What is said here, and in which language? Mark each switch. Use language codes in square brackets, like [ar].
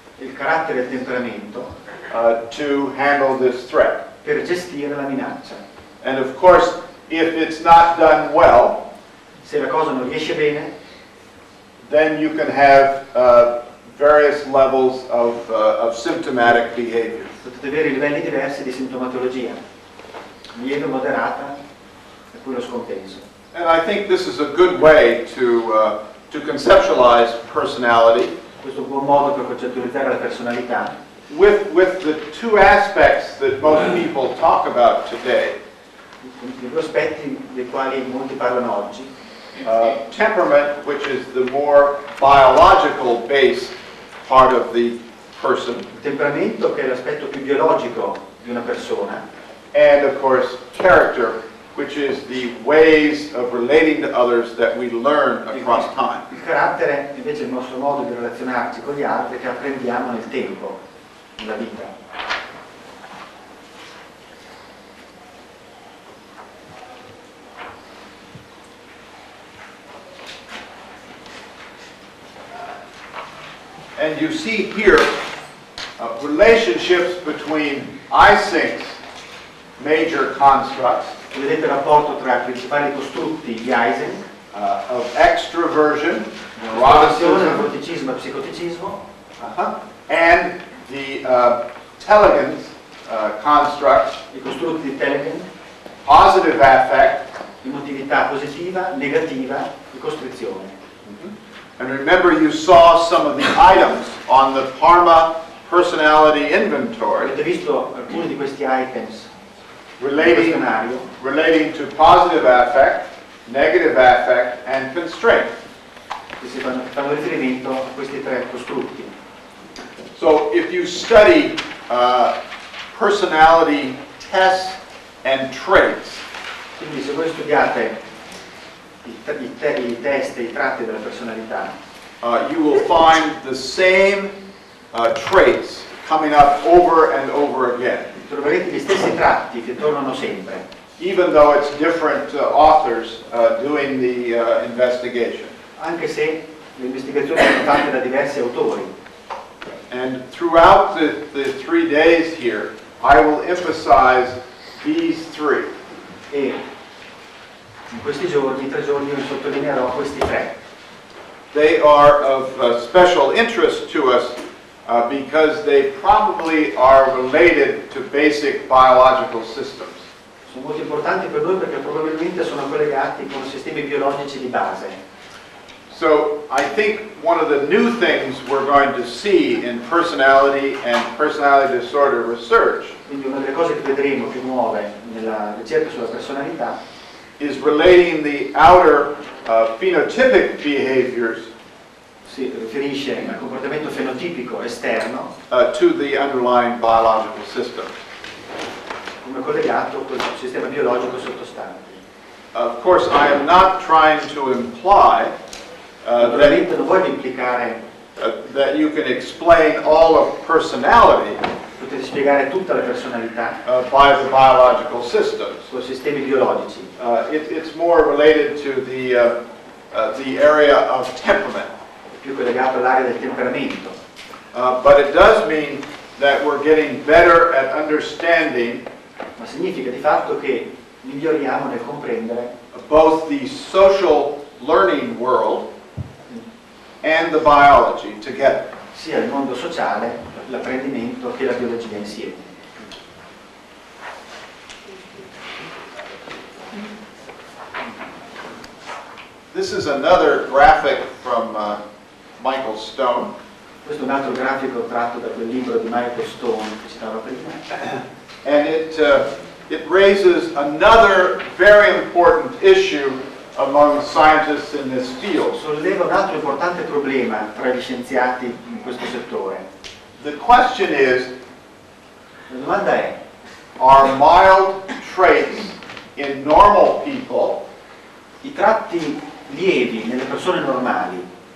[it] Il carattere e il temperamento. [en] To handle this threat. [it] Per gestire la minaccia. [en] And of course, if it's not done well, [it] se la cosa non riesce bene, [en] then you can have various levels of symptomatic behavior. [it] Potete avere livelli diversi di sintomatologia, lieve, moderata, e poi lo scompenso. [en] And I think this is a good way to conceptualize personality. [it] Questo è un buon modo per concettualizzare la personalità. [en] With the two aspects that most people talk about today. [it] I due aspetti dei quali molti parlano oggi. [en] Temperament, which is the more biological base part of the person. [it] Il temperamento, che è l'aspetto più biologico di una persona. [en] And of course, character, which is the ways of relating to others that we learn across time. [it] Il carattere, invece, è il nostro modo di relazionarci con gli altri che apprendiamo nel tempo, nella vita. [en] And you see here relationships between I think's major constructs. [it] Vedete il rapporto tra i principali costrutti di Eisen, [en] of extroversion, neuroticism, [it] vorticismo, psicoticismo, [en] and the Telegen's constructs. [it] I costrutti di Telegen. [en] Positive affect. [it] Emotività positiva, negativa, di costrizione. [en] And remember, you saw some of the items on the Parma personality inventory. [it] Avete visto alcuni di questi items? [en] Relating to positive affect, negative affect, and constraint. [it] Si fanno riferimento a questi tre costrutti. [en] So, if you study personality tests and traits. [it] Quindi, se voi studiate i test e i tratti della personalità. [en] You will find the same traits coming up over and over again. [it] Troverete gli stessi tratti che tornano sempre. [en] Even though it's different authors doing the investigation. [it] Anche se le investigazioni sono fatte da diversi autori. [en] And throughout the 3 days here, I will emphasize these three. [it] E In questi giorni, tre giorni, io sottolineerò questi tre. [en] They are of special interest to us because they probably are related to basic biological systems. [it] Sono molto importanti per noi perché probabilmente sono collegati con sistemi biologici di base. [en] So I think one of the new things we're going to see in personality and personality disorder research. [it] Quindi una delle cose che vedremo più nuove nella ricerca sulla personalità [en] is relating the outer phenotypic behaviors. [it] Si riferisce al comportamento fenotipico esterno [en] to the underlying biological system. [it] Come collegato col sistema biologico sottostante. [en] Of course, I am not trying to imply that you can explain all of personality. [it] Potete spiegare tutta la personalità [en] by the biological systems. [it] Con sistemi biologici. [en] It's more related to the area of temperament. [it] È più collegato all'area del temperamento. [en] But it does mean that we're getting better at understanding. [it] Ma significa di fatto che miglioriamo nel comprendere [en] both the social learning world and the biology together. [it] Sia il mondo sociale, l'apprendimento che la biologia insieme. [en] This is another graphic from Michael Stone. [it] Questo è un altro grafico tratto da quel libro di Michael Stone che citava prima. [en] And it raises another very important issue among scientists in this field. [it] Solleva un altro importante problema tra gli scienziati in questo settore. [en] The question is, [it] la domanda è, [en] are mild traits in normal people, [it] i tratti lievi nelle persone normali,